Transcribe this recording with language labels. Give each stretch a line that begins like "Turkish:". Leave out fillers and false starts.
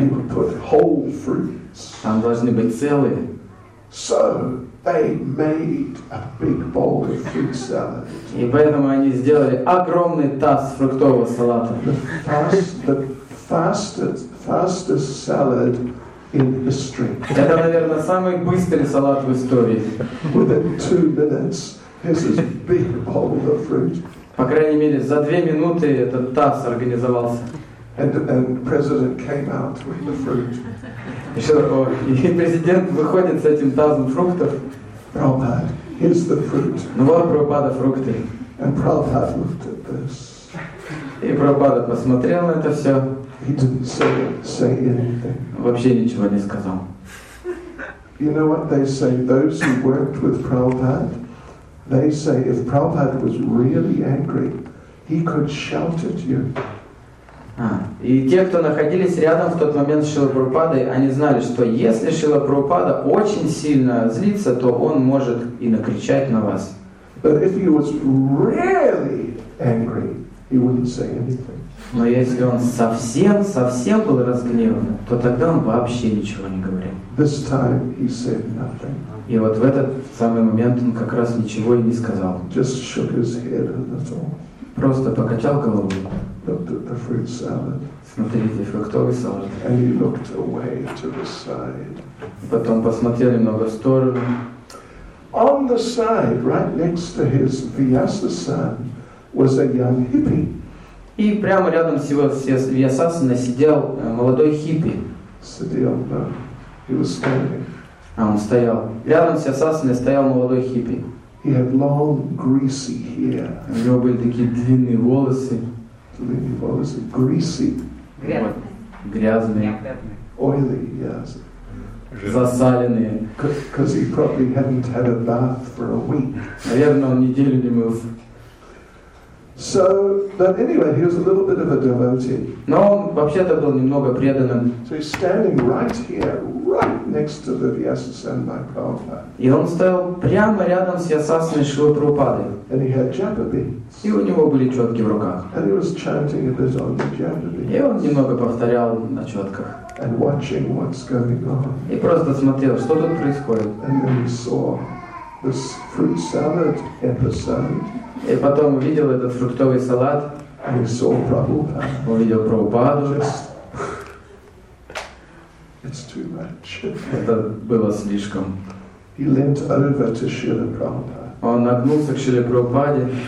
English: He would put whole fruits.
Russian: Там должны быть целые.
English: So they made a big bowl of fruit salad.
Russian: И поэтому они сделали огромный таз фруктового салата.
English: The fastest salad in history.
Russian: Это, наверное, самый быстрый салат в истории.
English: Within 2 minutes, this is big bowl of fruit.
Russian: По крайней мере, за 2 минуты этот таз организовался.
English: And president came out with the fruit.
Russian: И президент выходит с этим тазом фруктов.
English: Prabhupada, here's the fruit.
Russian: Ну вот, Прабхупада, фрукты.
English: And Prabhupada looked at this.
Russian: И Прабхупада посмотрел на это все.
English: He didn't say anything.
Russian: Вообще ничего не сказал.
English: You know what they say? Those who worked with Prabhupada, they say if Prabhupada was really angry, he could shout at you.
Russian: И те, кто находились рядом в тот момент с Шрилой Прабхупадой, они знали, что если Шрила Прабхупада очень сильно злится, то он может и накричать на вас.
English: But if he was really angry, he wouldn't say anything.
Russian: Но если он совсем был разгневан, то тогда он вообще ничего не говорил.
English: This time he said nothing.
Russian: И вот в этот самый момент он как раз ничего и не сказал.
English: Just shook his head and that's all.
Russian: Просто покачал головой.
English: Looked at the fruit salad.
Russian: Смотрите, фруктовый салат.
English: And he looked away to the side.
Russian: Потом посмотрел немного в сторону.
English: On the side, right next to his Vyasasana, was a young hippie.
Russian: И прямо рядом с его Vyasasana сидел молодой хиппи. Сидел, да.
English: He was standing.
Russian: А он стоял. Рядом с Vyasasana стоял молодой хиппи.
English: He had long, greasy hair.
Russian: У него были такие длинные волосы. Длинные волосы.
English: Greasy.
Russian: Грязные.
English: Oily, yes.
Russian: Засаленные.
English: Because he probably hadn't had a bath for a week.
Russian: Наверное, он неделю не мылся.
English: So, but anyway, he was a little bit of a devotee.
Russian: Но он вообще-то был немного преданным.
English: So he's standing right here, right next to the Vyasasana by Prabhupada.
Russian: И он стоял прямо рядом с Vyasasaной Шрилы Прабхупады.
English: And he had japa beads.
Russian: И у него были четки в руках.
English: And he was chanting a bit on the japa beads.
Russian: И он немного повторял на четках.
English: And watching what's going on.
Russian: И просто смотрел, что тут происходит.
English: And then he saw this fruit salad episode.
Russian: И потом увидел этот фруктовый салат.
English: And he saw Prabhupada.
Russian: Увидел Прабхупаду.
English: Just It's too much.
Russian: Это было слишком.
English: He leant over to Srila Prabhupada.
Russian: Он нагнулся к Шриле Прабхупаде.